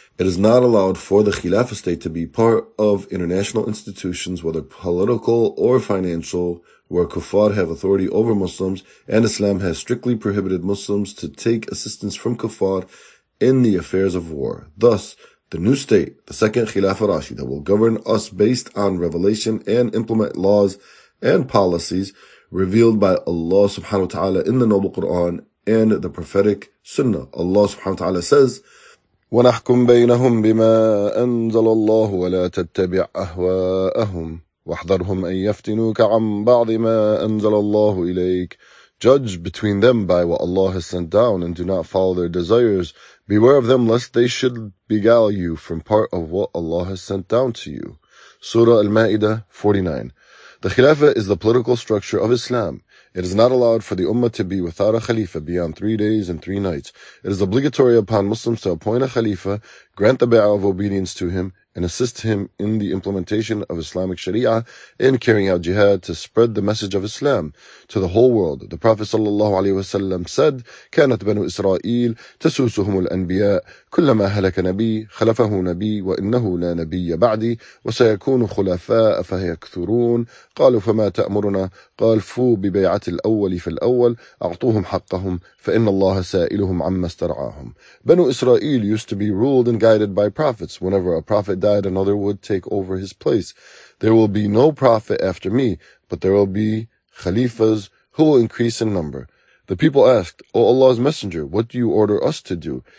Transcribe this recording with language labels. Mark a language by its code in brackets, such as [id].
[en] It is not allowed for the Khilafa state to be part of international institutions, whether political or financial, where kuffar have authority over Muslims, and Islam has strictly prohibited Muslims to take assistance from kuffar in the affairs of war. Thus, the new state, the second Khilafa Rashida, will govern us based on revelation and implement laws and policies revealed by Allah subhanahu wa ta'ala in the Noble Quran and the Prophetic Sunnah. [ar] Allah subhanahu wa ta'ala says, وَنَحْكُمْ بَيْنَهُمْ بِمَا أَنزَلَ اللَّهُ وَلَا تَتَّبِعْ أَهْوَاءَهُمْ وَاحْذَرْهُمْ أَن يَفْتِنُوكَ عَن بَعْضِ مَا أَنزَلَ اللَّهُ إِلَيْكَ. [en] Judge between them by what Allah has sent down, and do not follow their desires. Beware of them, lest they should beguile you from part of what Allah has sent down to you. Surah Al-Ma'idah 49. The Khilafah is the political structure of Islam. It is not allowed for the ummah to be without a khalifa beyond 3 days and 3 nights. It is obligatory upon Muslims to appoint a khalifa, grant the bay'ah of obedience to him, and assist him in the implementation of Islamic Sharia and carrying out jihad to spread the message of Islam to the whole world. [ar] The Prophet sallallahu alaihi wasallam said, كانت بنو إسرائيل تسوسهم الأنبياء كلما هلك نبي خلفه نبي وإنه لا نبي بعدي وسيكون خلفاء فيكثرون. قالوا فما تأمرنا؟ قال فو ببيعة الأول فالأول أعطوهم حقهم فإن الله سائلهم عما استرعاهم. [en] بنو إسرائيل used to be ruled and guided by prophets. Whenever a prophet died, another would take over his place. There will be no prophet after me, but there will be khalifas who will increase in number. The people asked, O Allah's Messenger, what do you order us to do?